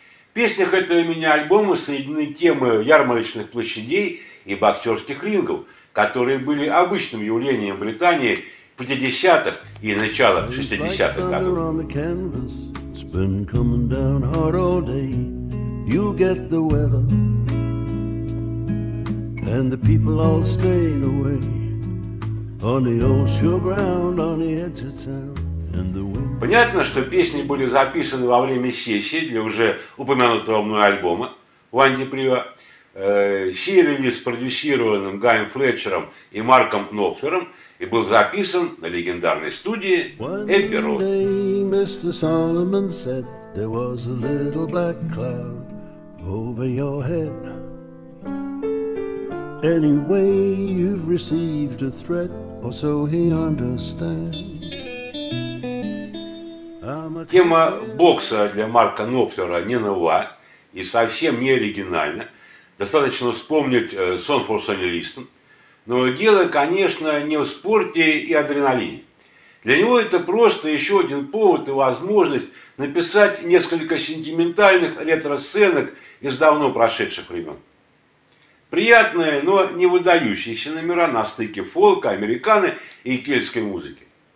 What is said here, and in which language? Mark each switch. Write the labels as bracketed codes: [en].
[ru] В песнях этого мини-альбома соединены темы ярмарочных площадей и боксерских рингов, которые были обычным явлением Британии 50-х и начала 60-х годов. [en] And the people all staying away on the old showground on the edge of town. And the wind... [ru] Понятно, что песни были записаны во время сессии для уже упомянутого мной альбома «One Deep River». Сей-релиз, спродюсированным Гаем Флетчером и Марком Кнопфером, и был записан на легендарной студии Abbey Road. [en] One day Mr. Solomon said there was a little black cloud over your head. Anyway, you've received a threat, or so he understands. [ru] Тема бокса для Марка Ноптера не нова и совсем не оригинальна. Достаточно вспомнить «Song for Sonny Liston». Но дело, конечно, не в спорте и адреналине. Для него это просто еще один повод и возможность написать несколько сентиментальных ретро-сценок из давно прошедших времен. Приятные, но не выдающиеся номера на стыке фолка, американы и кельтской музыки.